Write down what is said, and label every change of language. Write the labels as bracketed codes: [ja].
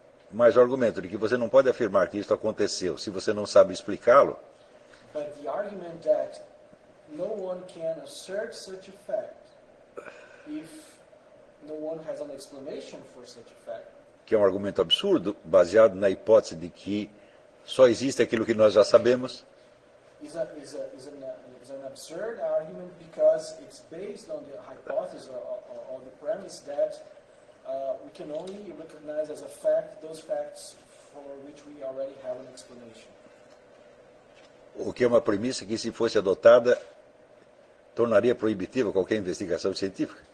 [pt] Mas o argumento de que você não pode afirmar que isso aconteceu se você não sabe explicá-lo. [en] But the argument that no one can assert such a fact if no one has an explanation for such a fact. [pt] Que é um argumento absurdo, baseado na hipótese de que só existe aquilo que nós já sabemos. [en] Is an absurd argument because it's based on the hypothesis or the premise that we can only recognize as a fact those facts for which we already have an explanation. [pt] O que é uma premissa que, se fosse adotada, tornaria proibitiva qualquer investigação científica.